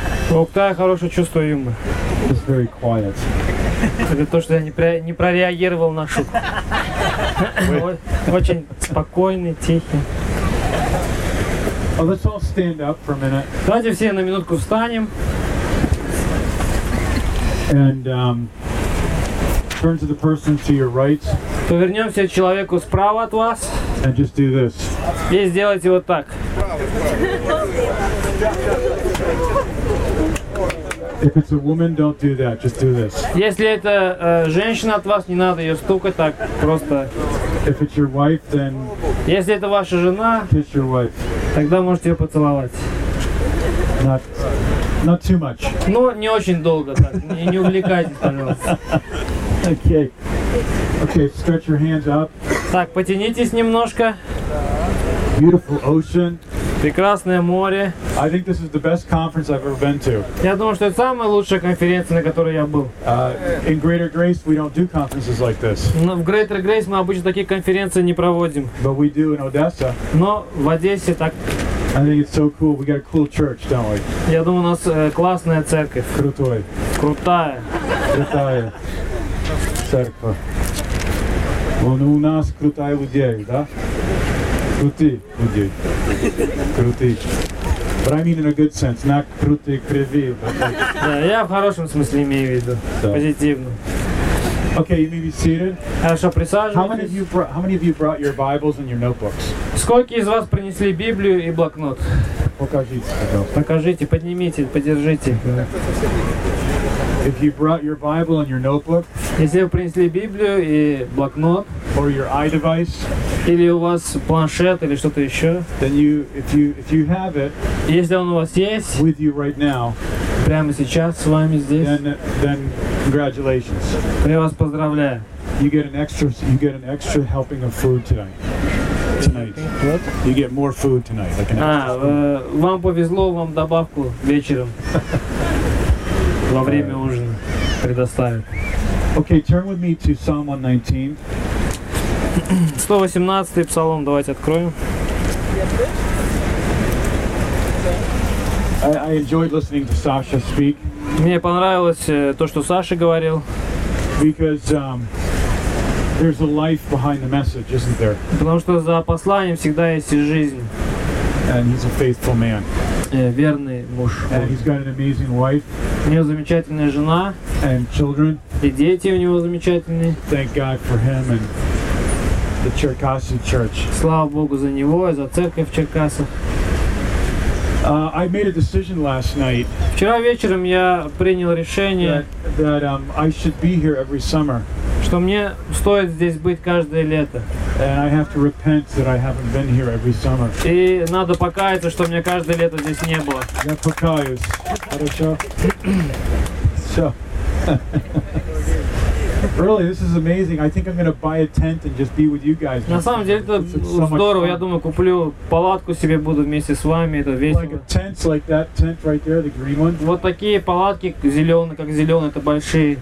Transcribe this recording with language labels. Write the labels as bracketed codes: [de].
[ru] У Октая хорошее чувство юмора. [en] He's very quiet. [ru] Это то, что я не прореагировал на шутку. Очень спокойный, тихий. [en] Well, let's all stand up for a minute. [ru] Давайте все на минутку встанем. [en] And turn to the person to your right. [ru] Повернемся к человеку справа от вас. [en] And just do this. [ru] И сделайте вот так. [en] If it's a woman, don't do that. Just do this. [ru] Если это женщина от вас, не надо ее стукать так просто. [en] If it's your wife, then. [ru] Если это ваша жена. [en] Kiss your wife. [ru] Тогда можете ее поцеловать. [en] Not too much. [ru] Ну, не очень долго так. Не увлекайтесь, пожалуйста. [en] Okay. Okay, stretch your hands up. [ru] Так, потянитесь немножко. [en] Beautiful ocean. [ru] Прекрасное море. [en] I think this is the best conference I've ever been to. [ru] Я думаю, что это самая лучшая конференция, на которой я был. [en] In Greater Grace we don't do conferences like this. [ru] Но в Greater Grace мы обычно такие конференции не проводим. [en] But we do in Odessa. [ru] Но в Одессе так. [en] I think it's so cool. We got a cool church, don't we? [ru] Я думаю, у нас классная церковь. Крутой. Крутая. Крутая. Церковь. Ну, у нас крутые люди, да? Крутые люди. Крутые. [en] But I mean in a good sense, not [ru] крутые кривые. Да, я в хорошем смысле имею в виду. [en] So. [ru] Позитивно. [en] Okay, you may be seated. [ru] Хорошо, присаживайтесь. [en] How many of you brought your Bibles and your notebooks? [ru] Сколько из вас принесли Библию и блокнот? Покажите, пожалуйста. Покажите, поднимите, подержите. [en] If you brought your Bible and your notebook, [ru] если вы принесли Библию и блокнот, [en] or your iDevice, [ru] или у вас планшет или что-то еще, [en] then if you have it, [ru] если он у вас есть, [en] with you right now, [ru] прямо сейчас с вами здесь, [en] then congratulations. [ru] Я вас поздравляю. [en] You get an extra helping of food tonight. You get more food tonight. Like an extra food. [ru] Вам повезло, вам добавку вечером. Во время ужина предоставят. [en] Okay, turn with me to Psalm 119. [ru] 118 псалом, давайте откроем. [en] I enjoyed listening to Sasha speak. [ru] Мне понравилось то, что Саша говорил. [en] Because there's a life behind the message, isn't there? [ru] Потому что за посланием всегда есть жизнь. [en] And he's a faithful man. [ru] Верный муж. [en] And he's got an amazing wife. [ru] У него замечательная жена. [en] And children. [ru] И дети у него замечательные. [en] Thank God for him and the Cherkasy Church. [ru] Слава Богу за него и за церковь в Черкасах. [en] I made a decision last night. [ru] Вчера вечером я принял решение. [en] That I should be here every summer. [ru] Что мне стоит здесь быть каждое лето. [en] And I have to repent that I haven't been here every summer. [ru] И надо покаяться, что мне каждое лето здесь не было. Я покаюсь. Хорошо. [en] So. Really, this is amazing. I think I'm going to buy a tent and just be with you guys. [ru] На самом деле это здорово. Я думаю, куплю палатку себе, буду вместе с вами. Это весело. [en] Like a tent, like that tent right there, the green one. [ru] Вот такие палатки зеленые, как зеленые, это большие.